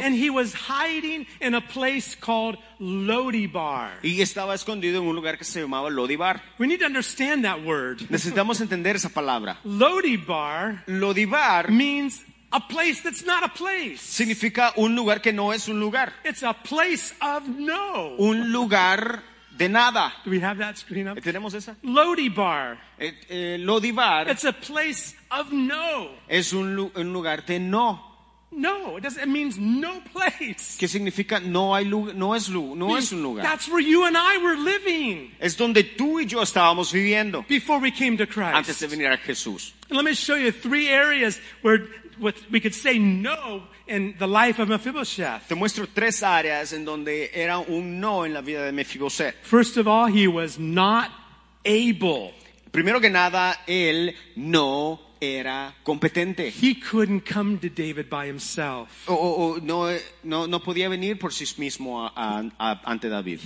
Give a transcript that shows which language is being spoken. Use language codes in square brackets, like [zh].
[en] And he was hiding in a place called Lodibar. [es] Y estaba escondido en un lugar que se llamaba Lodibar. [en] We need to understand that word. [es] Necesitamos entender esa palabra. [en] Lodibar, Lodibar means a place that's not a place. [es] Significa un lugar que no es un lugar. [en] It's a place of no. [es] Un lugar de nada. [en] Do we have that screen up? [es] ¿Tenemos esa? [en] Lodibar. [es] Lodibar. [en] It's a place of no. [es] Es un lugar de no. [en] No, it means no place. [es] ¿Qué significa no hay lugar? No es lugar. No es un lugar. [en] That's where you and I were living. [es] Es donde tú y yo estábamos viviendo. [en] Before we came to Christ. [es] Antes de venir a Jesús. [en] And let me show you three areas where we could say no in the life of Mephibosheth. [es] Te muestro tres áreas en donde era un no en la vida de Mephibosheth. [en] First of all, he was not able. [es] Primero que nada, él no era competente. [en] He couldn't come to David by himself. [es] No podía venir por sí mismo ante David.